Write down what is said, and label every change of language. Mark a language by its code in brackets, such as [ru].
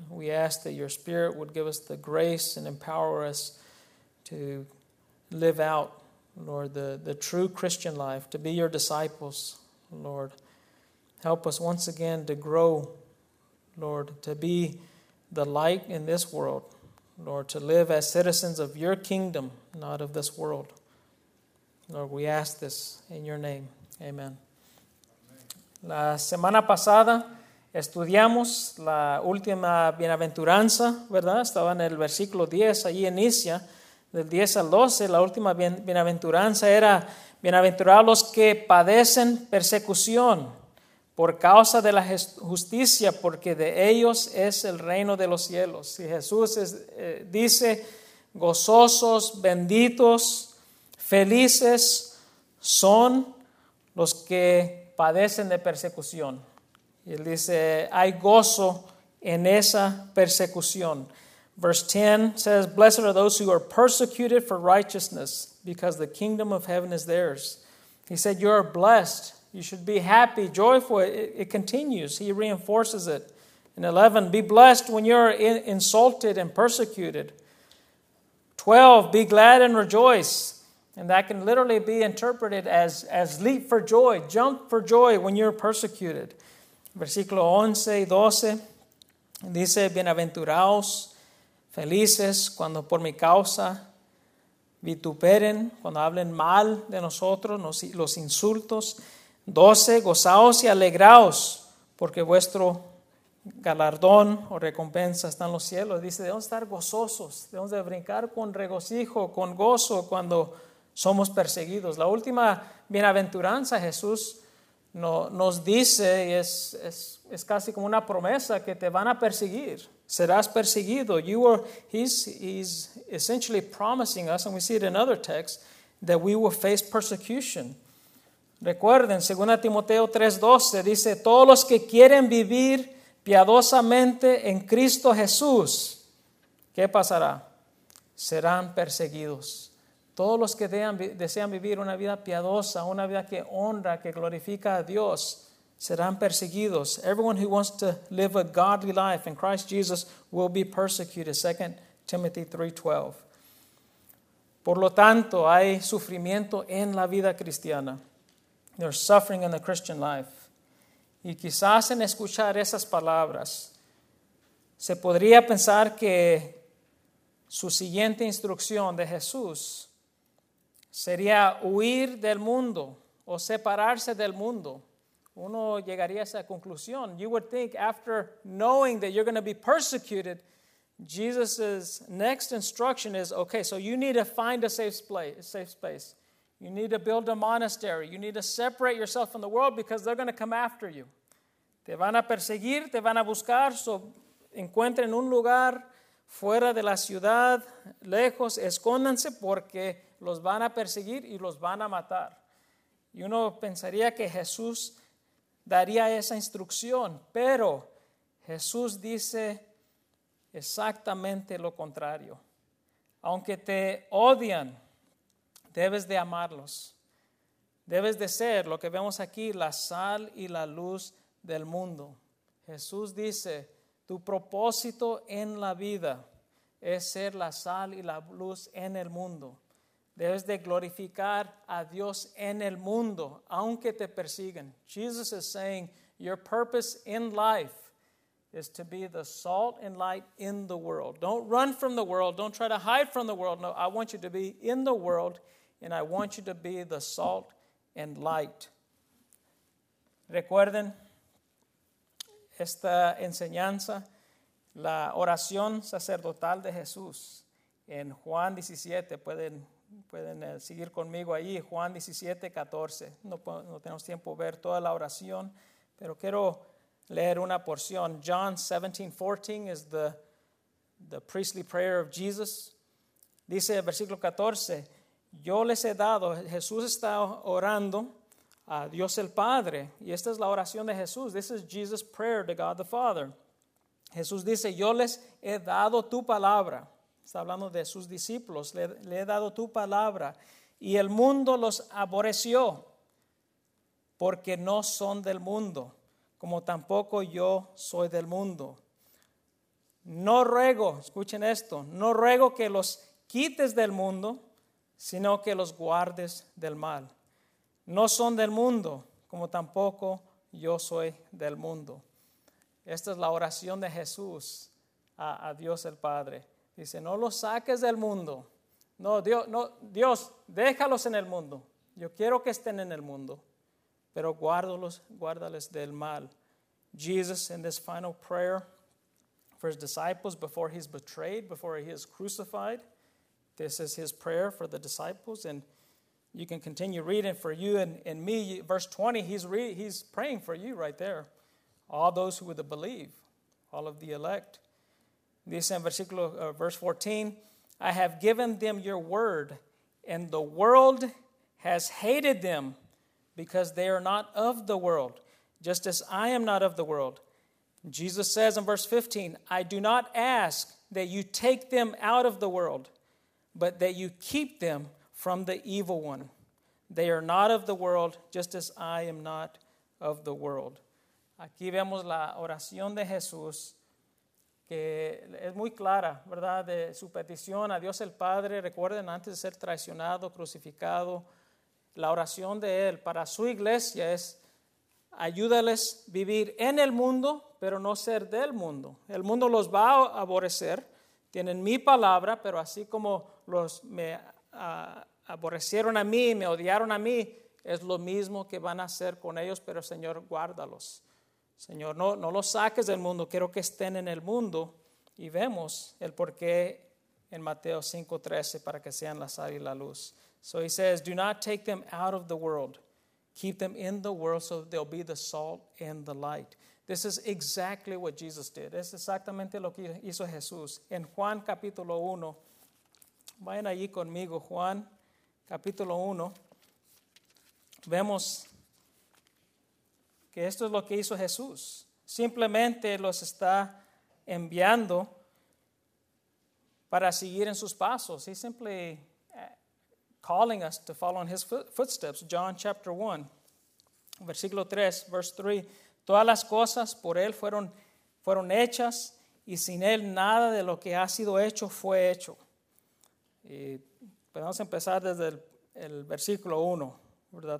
[en] We ask that your Spirit would give us the grace and empower us to live out, Lord, the true Christian life, to be your disciples, Lord. Help us once again to grow, Lord, to be the light in this world, Lord, to live as citizens of your kingdom, not of this world. Lord, we ask this in your name. Amen. [es] La semana pasada estudiamos la última bienaventuranza, ¿verdad? Estaba en el versículo 10, allí inicia, del 10 al 12. La última bienaventuranza era: bienaventurados los que padecen persecución por causa de la justicia, porque de ellos es el reino de los cielos. Y Jesús dice: gozosos, benditos, felices son los que padecen de persecución. Y él dice, hay gozo en esa persecución. [en] Verse 10 says, blessed are those who are persecuted for righteousness, because the kingdom of heaven is theirs. He said, you are blessed. You should be happy, joyful. It continues. He reinforces it. In 11, be blessed when you are insulted and persecuted. 12, be glad and rejoice. And that can literally be interpreted as leap for joy, jump for joy when you're persecuted. [es] Versículo 11 y 12 dice, bienaventurados, felices, cuando por mi causa vituperen, cuando hablen mal de nosotros, los insultos. 12, gozaos y alegraos, porque vuestro galardón o recompensa está en los cielos. Dice, debemos estar gozosos, debemos de brincar con regocijo, con gozo cuando somos perseguidos. La última bienaventuranza, Jesús nos dice, y es casi como una promesa, que te van a perseguir. Serás perseguido. [en] He's essentially promising us, and we see it in other texts, that we will face persecution. [es] Recuerden, 2 Timoteo 3:12 dice, todos los que quieren vivir piadosamente en Cristo Jesús, ¿qué pasará? Serán perseguidos. Todos los que desean vivir una vida piadosa, una vida que honra, que glorifica a Dios, serán perseguidos. [en] Everyone who wants to live a godly life in Christ Jesus will be persecuted. 2 Timothy 3:12. [es] Por lo tanto, hay sufrimiento en la vida cristiana. [en] There's suffering in the Christian life. [es] Y quizás en escuchar esas palabras, se podría pensar que su siguiente instrucción de Jesús sería huir del mundo o separarse del mundo. Uno llegaría a esa conclusión. [en] You would think after knowing that you're going to be persecuted, Jesus' next instruction is, okay, so you need to find a safe space. You need to build a monastery. You need to separate yourself from the world because they're going to come after you. [es] Te van a perseguir, te van a buscar. So encuentren un lugar fuera de la ciudad, lejos, escóndanse porque los van a perseguir y los van a matar. Y uno pensaría que Jesús daría esa instrucción, pero Jesús dice exactamente lo contrario. Aunque te odian, debes de amarlos. Debes de ser lo que vemos aquí, la sal y la luz del mundo. Jesús dice, tu propósito en la vida es ser la sal y la luz en el mundo. Debes de glorificar a Dios en el mundo, aunque te persigan. [en] Jesus is saying, your purpose in life is to be the salt and light in the world. Don't run from the world. Don't try to hide from the world. No, I want you to be in the world, and I want you to be the salt and light. [es] Recuerden esta enseñanza, la oración sacerdotal de Jesús en Juan 17. Pueden seguir conmigo ahí, Juan 17:14. No tenemos tiempo de ver toda la oración, pero quiero leer una porción. [en] John 17:14 is the priestly prayer of Jesus. [es] Dice el versículo 14, yo les he dado, Jesús está orando a Dios el Padre, y esta es la oración de Jesús. [en] This is Jesus' prayer to God the Father. [es] Jesús dice, yo les he dado tu palabra. Está hablando de sus discípulos. Le he dado tu palabra. Y el mundo los aborreció porque no son del mundo, como tampoco yo soy del mundo. No ruego, escuchen esto, no ruego que los quites del mundo, sino que los guardes del mal. No son del mundo, como tampoco yo soy del mundo. Esta es la oración de Jesús a Dios el Padre. Dice, no los saques del mundo. No, Dios, déjalos en el mundo. Yo quiero que estén en el mundo, pero guárdales del mal. [en] Jesus, in this final prayer for his disciples before he's betrayed, before he is crucified, this is his prayer for the disciples. And you can continue reading for you and me. Verse 20, he's praying for you right there. All those who would believe, all of the elect. [es] Dice en [en] verse 14, I have given them your word, and the world has hated them because they are not of the world, just as I am not of the world. Jesus says in verse 15, I do not ask that you take them out of the world, but that you keep them from the evil one. They are not of the world, just as I am not of the world. [es] Aquí vemos la oración de Jesús, que es muy clara, ¿verdad?, de su petición a Dios el Padre. Recuerden, antes de ser traicionado, crucificado, la oración de él para su iglesia es, ayúdales a vivir en el mundo, pero no ser del mundo. El mundo los va a aborrecer, tienen mi palabra, pero así como me aborrecieron a mí, me odiaron a mí, es lo mismo que van a hacer con ellos, pero Señor, guárdalos. Señor, no los saques del mundo, quiero que estén en el mundo. Y vemos el porqué en Mateo 5:13 para que sean la sal y la luz. [en] So he says, do not take them out of the world. Keep them in the world so they'll be the salt and the light. This is exactly what Jesus did. [es] Es exactamente lo que hizo Jesús. En Juan capítulo 1, vayan allí conmigo, Juan capítulo 1, vemos que esto es lo que hizo Jesús. Simplemente los está enviando para seguir en sus pasos. [en] He's simply calling us to follow in his footsteps. John chapter 1, versículo 3, verse 3. [es] Todas las cosas por él fueron hechas, y sin él nada de lo que ha sido hecho fue hecho. Y podemos empezar desde el versículo 1, ¿verdad?